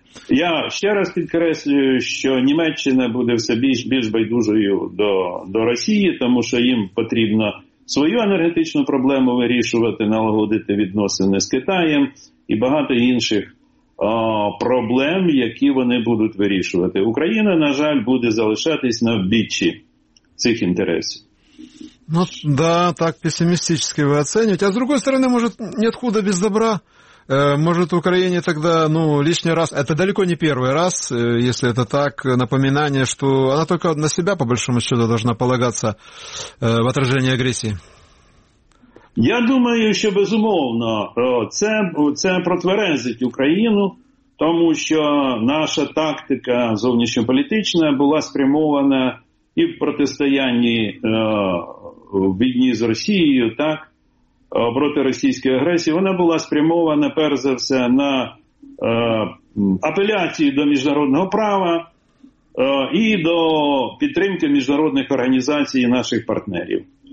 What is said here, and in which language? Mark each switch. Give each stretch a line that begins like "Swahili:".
Ukrainian: Я ще раз підкреслюю, що Німеччина буде все більш байдужою до Росії, тому що їм потрібно свою енергетичну проблему вирішувати, налагодити відносини з Китаєм і багато інших проблем, які вони будуть вирішувати. Україна, на жаль, буде залишатись на вбіччі цих інтересів.
Russian: Ну да, так пессимистически вы оцениваете. А с другой стороны, может, нет худа без добра. Может, Украине тогда, ну, лишний раз, это далеко не первый раз, если это так, напоминание, что она только на себя, по большому счету, должна полагаться в отражении агрессии. Я думаю, что
Ukrainian: безумовно, це протверезить Украину, тому що наша тактика зовнішньополітична була спрямована і в протистоянні війні з Росією, так, проти російської агресії, вона була спрямована перш за все на апеляції до міжнародного права і до підтримки міжнародних організацій наших партнерів.